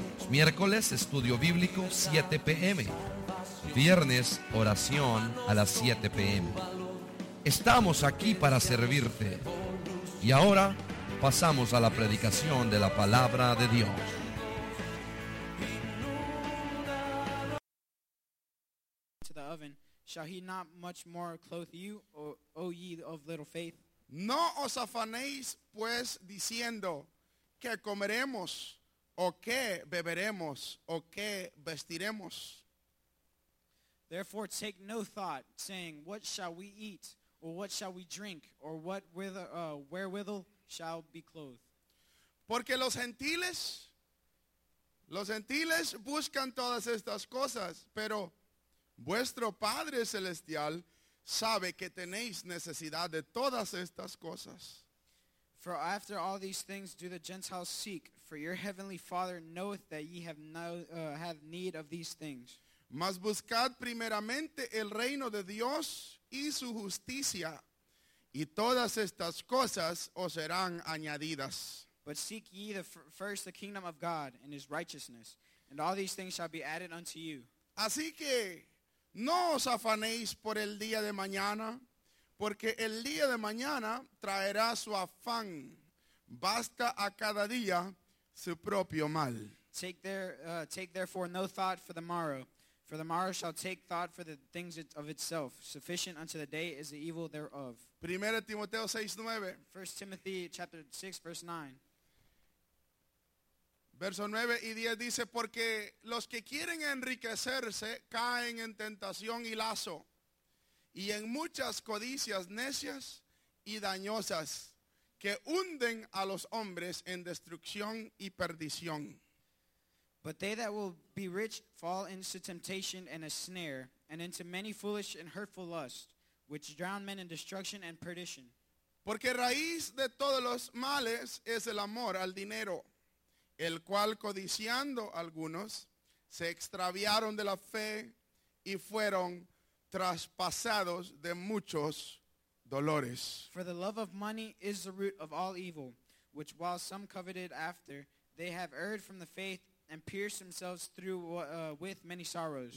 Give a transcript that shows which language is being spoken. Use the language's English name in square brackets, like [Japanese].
[Spanish] Miércoles, Estudio Bíblico, 7 p.m. Viernes, Oración a las 7 p.m. Estamos aquí para servirte. Y ahora pasamos a la predicación de la palabra de Dios. [English] To the oven, shall he not much more clothe you, O ye of little faith? [Spanish] No os afanéis pues diciendo que comeremos o que beberemos o que vestiremos. [English] Therefore take no thought, saying, what shall we eat, or what shall we drink, or what wherewithal shall be clothed? [Spanish] Porque los gentiles buscan todas estas cosas, pero vuestro Padre Celestial sabe que tenéis necesidad de todas estas cosas. [English] For after all these things do the Gentiles seek, for your heavenly Father knoweth that ye have have need of these things. [Spanish] Mas buscad primeramente el reino de Dios y su justicia, y todas estas cosas os serán añadidas. [English] But seek ye first the kingdom of God and his righteousness, and all these things shall be added unto you. [Spanish] Así que no os afanéis por el día de mañana, porque el día de mañana traerá su afán. Basta a cada día su propio mal. [English] Take therefore no thought for the morrow, for the morrow shall take thought for the things of itself. Sufficient unto the day is the evil thereof. [Spanish] 1 Timoteo 6:9. [English] 1 Timothy chapter 6, verse 9. [Spanish] Verso 9 y 10 dice, porque los que quieren enriquecerse caen en tentación y lazo, y en muchas codicias necias y dañosas, que hunden a los hombres en destrucción y perdición. [English] But they that will be rich fall into temptation and a snare, and into many foolish and hurtful lusts, which drown men in destruction and perdition. [Spanish] Porque raíz de todos los males es el amor al dinero, el cual codiciando algunos, se extraviaron de la fe y fueron traspasados de muchos dolores. [English] For the love of money is the root of all evil, which while some coveted after, they have erred from the faith and pierced themselves through with many sorrows.